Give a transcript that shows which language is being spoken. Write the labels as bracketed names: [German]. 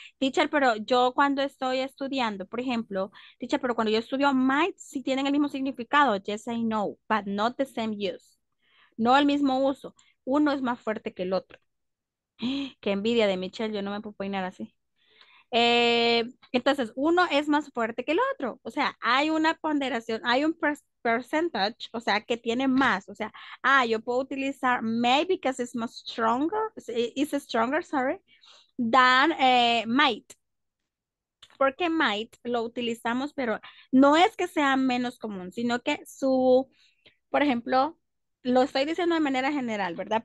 [Spanish] Teacher, pero yo cuando estoy estudiando, por ejemplo, teacher, pero cuando yo estudio might, sí tienen el mismo significado, [English] yes I know, but not the same use. [Spanish] No el mismo uso. Uno es más fuerte que el otro. Qué envidia de Michelle, yo no me puedo peinar así. Entonces, uno es más fuerte que el otro. O sea, hay una ponderación, hay un percentage, o sea, que tiene más. O sea, ah, yo puedo utilizar [English] may because it's much stronger, sorry, than might. [Spanish] Porque might lo utilizamos, pero no es que sea menos común, sino que su, por ejemplo, lo estoy diciendo de manera general, ¿verdad?